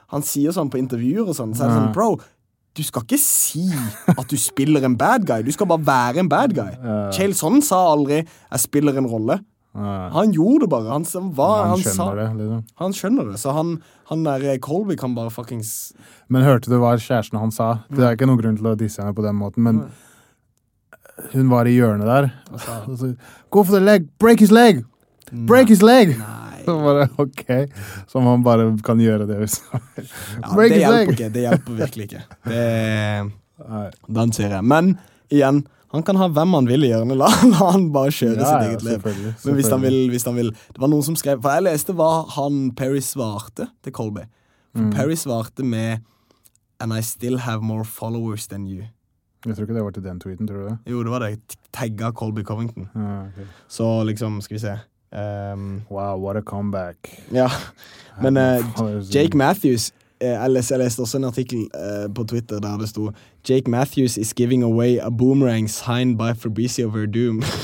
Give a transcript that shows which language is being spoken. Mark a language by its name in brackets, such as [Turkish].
[Norwegian] Han sier sånn på intervjuer og sånn, så er det sånn, bro, du skal ikke si at du spiller en [English] bad guy, [Norwegian] du skal bare være en bad guy. Chael Sonnen sa aldri, jeg spiller en rolle. Han gjorde det bare, han skjønner det, så han der Colby kan bare fucking... Men hørte du hva kjæresten han sa? Det er ikke noen grunn til å disse henne på den måten, men... Hun var i hjørnet der. [English] Altså, go for the leg, break his leg. Break his leg. [Norwegian] Nei. Så bare, ok. Så man bare kan gjøre det. [English] Break [Norwegian] det [English] his leg. [Norwegian] Ikke. Det hjelper virkelig ikke. Det er... Den ser jeg. Men, igjen, han kan ha hvem han vil i hjørnet. La han bare kjøre sitt eget liv. Men hvis han vil. Det var noen som skrev... For jeg leste hva han Perry svarte til Colby. Perry svarte med [English] And I still have more followers than you. [Norwegian] Jeg tror ikke det var til den tweeten, tror du det? Jo, det var det. Tagget Colby Covington. Ah, okay. Så liksom, skal vi se. [English] Wow, what a comeback. [Norwegian] Ja, men [English] Jake Matthews, jeg leste også en artikkel på Twitter der det stod Jake Matthews is giving away a boomerang signed by Fabrizio Verdum.